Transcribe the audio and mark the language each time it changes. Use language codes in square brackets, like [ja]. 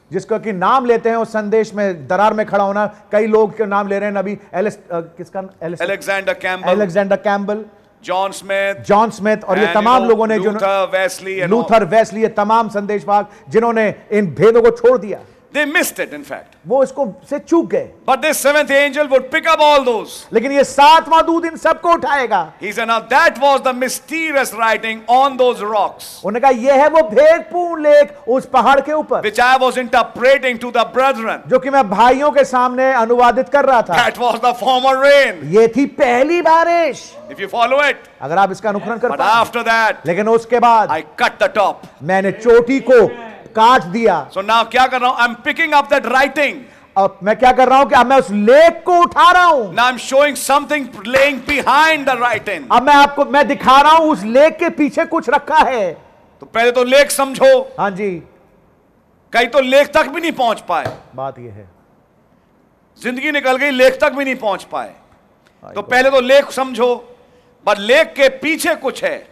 [hi] जिसको कि नाम लेते हैं उस संदेश में, दरार में खड़ा होना. कई लोग के नाम ले रहे हैं अभी. किसका? Alexander Campbell. Alexander Campbell, John Smith. John Smith और ये तमाम लोगों ने, लूथर वेस्ली, ये तमाम संदेशवाद जिन्होंने इन भेदों को छोड़ दिया. [en] They missed it, in fact. [hi] वो इसको से चूक गए. [en] But this seventh angel would pick up all those. [hi] लेकिन ये सातवां दूत इन सबको उठाएगा. [en] He said, "Now that was the mysterious writing on those rocks." [hi] उन्होंने कहा, ये है वो भेदपूर्ण लेख उस पहाड़ के ऊपर. [en] Which I was interpreting to the brethren. [hi] जो कि मैं भाइयों के सामने अनुवादित कर रहा था. [en] That was the former rain. [hi] ये थी पहली बारिश. [en] If you follow it. [hi] अगर आप इसका अनुकरण कर [en] पाएं. But after that. [hi] लेकिन उसके बाद. [en] I cut the top. [hi] मैंने चोटी को काट दिया. [en] So now [hi] क्या कर रहा हूं? [en] I'm picking up that writing. [hi] अब मैं क्या कर रहा हूं कि अब मैं उस लेख को उठा रहा हूं. [en] Now I'm showing something laying behind the writing. [hi] अब मैं आपको, मैं दिखा रहा हूं उस लेख के पीछे कुछ रखा है. तो पहले तो लेख समझो. हाँ जी. कई तो लेख तक भी नहीं पहुंच पाए. बात यह है, जिंदगी निकल गई, लेख तक भी नहीं पहुंच पाए. तो पहले तो लेख समझो. बट लेख के पीछे कुछ है.